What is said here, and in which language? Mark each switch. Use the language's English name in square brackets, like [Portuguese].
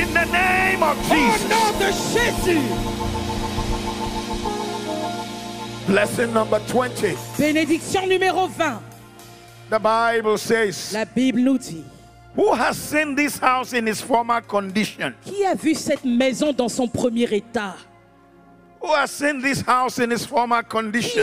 [English] In the name of Jesus. [French] Au nom de Jésus. [English] Blessing number 20. [French] Bénédiction numéro 20. [English] The Bible says. [French] La Bible nous dit. [English] Who has seen this house in its former condition? [French] Qui a vu cette maison dans son premier état? [English] Who has seen this house in its former condition?